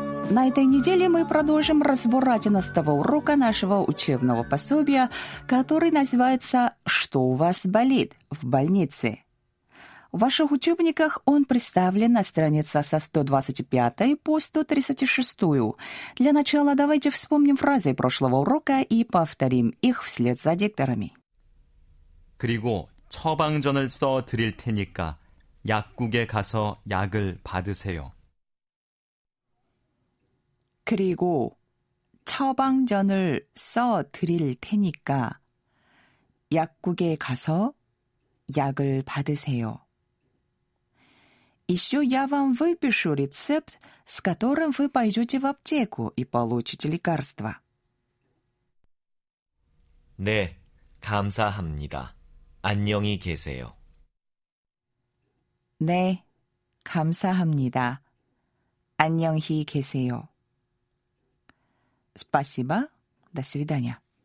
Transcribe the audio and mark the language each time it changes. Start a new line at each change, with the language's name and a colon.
Russian: На этой неделе мы продолжим разбор 11-го урока нашего учебного пособия, который называется «Что у вас болит в больнице?». В ваших учебниках он представлен на странице со 125 по 136. Для начала давайте вспомним фразы прошлого урока и повторим их вслед за дикторами.
Korean: 그리고 처방전을 써 드릴 테니까 약국에 가서 약을 받으세요. 그리고 처방전을 써 드릴 테니까 약국에 가서 약을 받으세요.
Russian: Еще я вам выпишу рецепт, с которым вы пойдете в аптеку и получите лекарство.
Korean: 네, 감사합니다. 안녕히 계세요. 네, 감사합니다. 안녕히 계세요.
Russian: Спасибо. До свидания.